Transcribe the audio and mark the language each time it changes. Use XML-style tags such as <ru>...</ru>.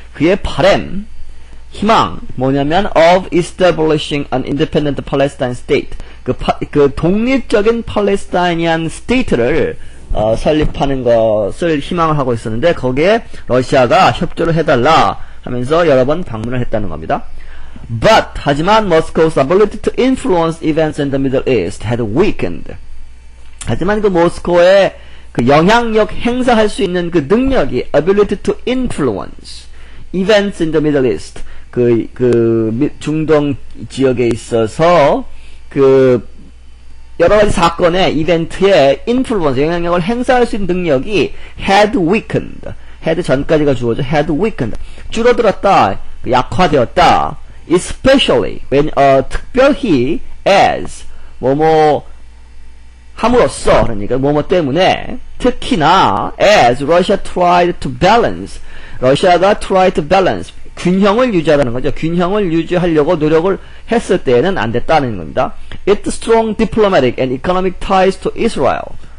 <ko>그의 바램 희망 뭐냐면</ko> <en>of establishing an independent Palestine state.</en> <ko>그 독립적인 팔레스타인이안 스테이트를 설립하는 것을 희망을 하고 있었는데 거기에 러시아가 협조를 해달라 하면서 여러 번 방문을 했다는 겁니다.</ko> <en>But</en> <ko>하지만</ko> <en>Moscow's ability to influence events in the Middle East had weakened.</en> <ko>하지만 그 모스크바의 그 영향력 행사할 수 있는 그 능력이</ko> <en>ability to influence events in the Middle East</en> <ko>그 중동 지역에 있어서 그 여러 가지 사건의 이벤트에 인플루언스 영향력을 행사할 수 있는 능력이</ko> <en>had weakened.</en> <ko>had 전까지가 주어져</ko> <en>had weakened.</en> <ko>줄어들었다. 약화되었다.</ko> <en>especially when</en> <ko>특별히 as 뭐뭐 함으로써 그러니까 뭐뭐 때문에 특히나</ko> <en>as Russia tried to balance.</en> <ko>러시아가</ko> <en>tried to balance</en> <ko>균형을 유지하라는 거죠. 균형을 유지하려고 노력을 했을 때에는 안 됐다는 겁니다.</ko> <en>Its strong diplomatic and economic ties to Israel.</en>